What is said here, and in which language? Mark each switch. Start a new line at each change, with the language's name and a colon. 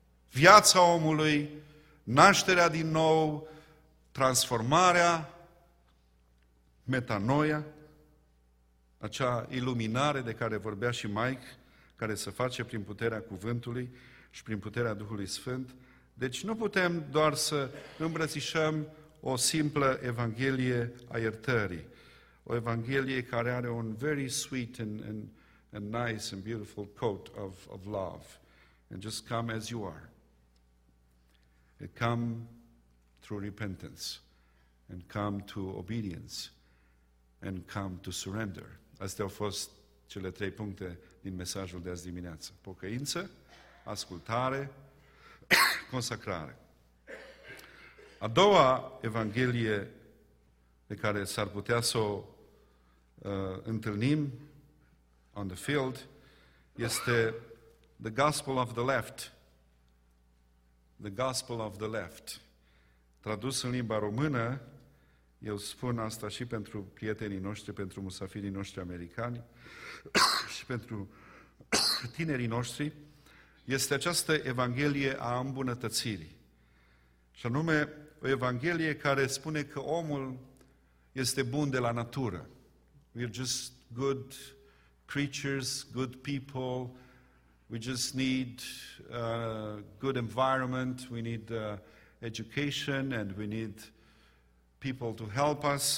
Romanian: Viața omului, nașterea din nou, transformarea, metanoia, acea iluminare de care vorbea și Mike, care se face prin puterea cuvântului și prin puterea Duhului Sfânt. Deci nu putem doar să îmbrățișăm o simplă evanghelie a iertării. O evanghelie care are un
English: very sweet and nice and beautiful coat of love, and just come as you are. It come through repentance and come to obedience and come to surrender.
Romanian: Astea au fost cele trei puncte din mesajul de azi dimineață. Pocăință, ascultare, consacrare. A doua evanghelie pe care s-ar putea să o întâlnim
English: on the field
Romanian: este
English: the gospel of the left. The gospel of the left.
Romanian: Tradus în limba română, eu spun asta și pentru prietenii noștri, pentru musafirii noștri americani și pentru tinerii noștri, este această evanghelie a îmbunătățirii. Și anume, o evanghelie care spune că omul este bun de la natură.
English: We're just good creatures, good people. We just need a good environment. We need education and we need people to help us.